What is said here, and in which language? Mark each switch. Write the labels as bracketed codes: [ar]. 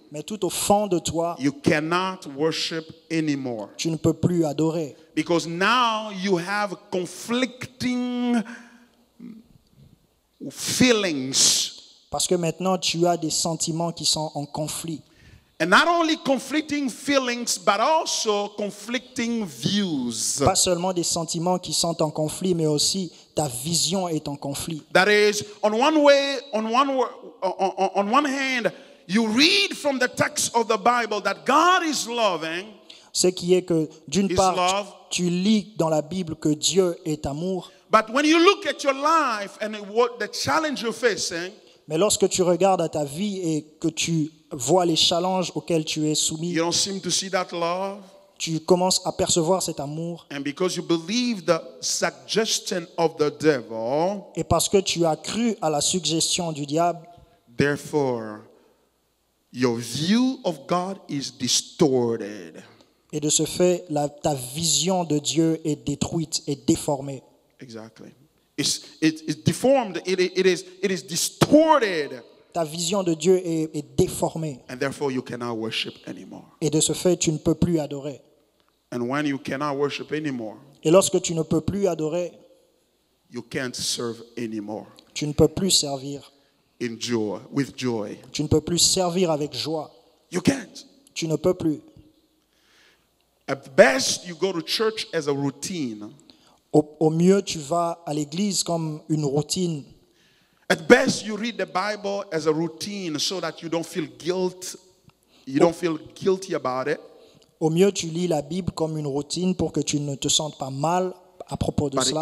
[fr] mais tout au fond de toi, [en] you cannot worship anymore. [fr] Tu ne peux plus adorer. [en] Because now you have conflicting feelings. [fr] Parce que maintenant tu as des sentiments qui sont en conflit. [en] And not only conflicting feelings, but also conflicting views. [fr] Pas seulement des sentiments qui sont en conflit, mais aussi ta vision est en conflit. [en] That is, on one hand, you read from the text of the Bible that God is loving. [fr] Ce qui est que d'une part, tu lis dans la Bible que Dieu est amour. [en] But when you look at your life and what the challenge you're facing. [fr] Mais lorsque tu regardes à ta vie et que tu vois les challenges auxquels tu es soumis, [en] you don't seem to see that love, [fr] tu commences à percevoir cet amour. [en] And because you believe the suggestion of the devil, [fr] et parce que tu as cru à la suggestion du diable, [en] therefore, your view of God is distorted. [fr] Et de ce fait, ta vision de Dieu est détruite, est déformée. [en] Exactly. It's deformed. It is distorted. [fr] Ta vision de Dieu est déformée. [en] And therefore, you cannot worship anymore. [fr] Et de ce fait, tu ne peux plus adorer. [en] And when you cannot worship anymore, [fr] et lorsque tu ne peux plus adorer, [en] you can't serve anymore. [fr] Tu ne peux plus servir. [en] In joy, with joy. [fr] Tu ne peux plus servir avec joie. [en] You can't. [fr] Tu ne peux plus. [en] At best, you go to church as a routine. [fr] Au mieux, tu vas à l'église comme une routine. [en] At best, you read the Bible as a routine so that you don't feel guilt. You don't feel guilty about it. [fr] Au mieux, tu lis la Bible comme une routine pour que tu ne te sentes pas mal à propos de cela.